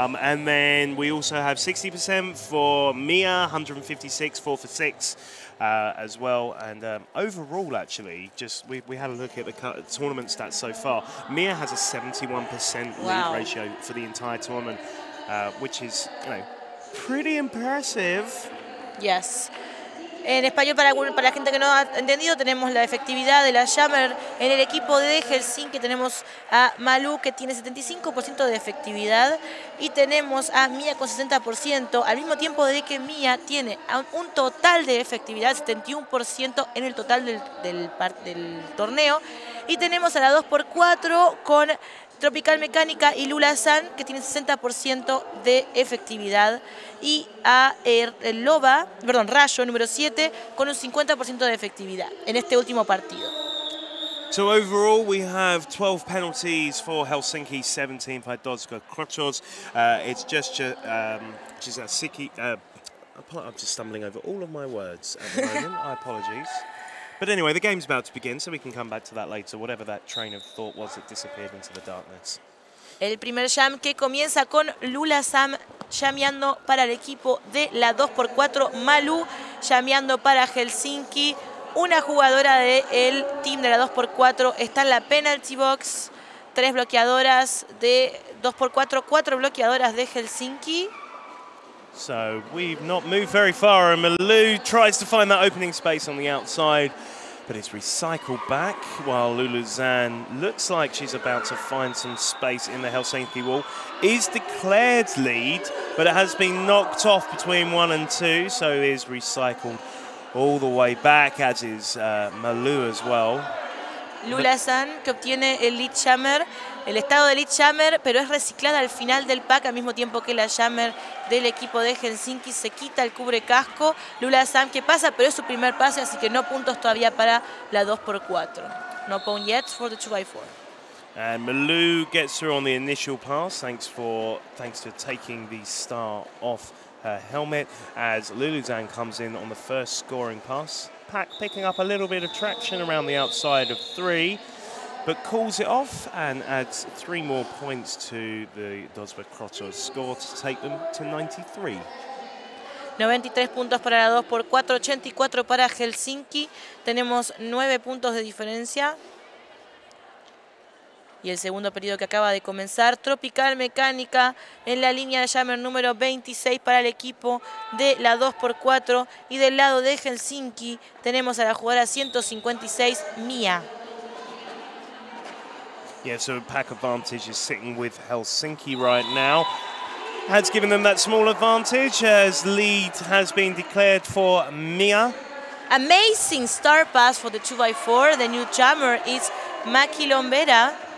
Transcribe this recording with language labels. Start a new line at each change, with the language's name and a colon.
English: And then we also have 60% for Mia, 156, 4 for 6. As well, and overall, actually, just we had a look at the tournament stats so far. Mia has a 71% lead ratio for the entire tournament, which is, you know, pretty impressive. Yes.
Spanish: En español, para la gente que no ha entendido, tenemos la efectividad de la jammer. En el equipo de Helsinki tenemos a Malou, que tiene 75% de efectividad, y tenemos a Mia con 60%, al mismo tiempo de que Mia tiene un total de efectividad, 71% en el total del torneo. Y tenemos a la 2x4 con Tropical Mecánica y Lula San, que tiene 60% de efectividad. Y a Rayo, número 7, con un 50% de efectividad en este último partido.
English: So overall, we have 12 penalties for Helsinki, 17 for Dosvik Krotos. It's just Chizasiki. I'm just stumbling over all of my words at the moment. I apologize. But anyway, the game's about to begin, so we can come back to that later. Whatever that train of thought was, it disappeared into the darkness.
Spanish: El primer jam que comienza con Lula Sam llameando para el equipo de la 2x4. Malou llameando para Helsinki. Una jugadora del team de la 2x4 está en la penalty box. 3 bloqueadoras de 2x4, 4 bloqueadoras de Helsinki.
English: So we've not moved very far, and Malou tries to find that opening space on the outside, but it's recycled back while Lulu Zan looks like she's about to find some space in the Helsinki wall. Is declared lead, but it has been knocked off between 1 and 2, so it is recycled all the way back, as is Malou as well.
Spanish: Lula Zan, que obtiene el lead jammer, el estado de Lillehammer, pero es reciclada al final del pack, al mismo tiempo que la Jammer del equipo de Helsinki se quita el cubre casco. Lula Sam, que pasa, pero es su primer pase, así que no puntos todavía para la 2x4.
English: No point yet for the 2x4. And Malou gets through on the initial pass, thanks to taking the star off her helmet, as Lulu Zhang comes in on the first scoring pass. Pack picking up a little bit of traction around the outside of three, but calls it off and adds three more points to the Dosbekrotos score to take them to 93.
Spanish: 93 puntos para la 2x4, 84 para Helsinki. Tenemos 9 puntos de diferencia. Y el segundo periodo que acaba de comenzar, Tropical Mecánica en la línea de Jammer número 26 para el equipo de la 2x4. Y del lado de Helsinki tenemos a la jugadora 156, Mia.
English: Yeah, so Pack Advantage is sitting with Helsinki right now. Has given them that small advantage as lead has been declared for Mia. Amazing star pass for the 2x4. The new Jammer is Maki Lombera.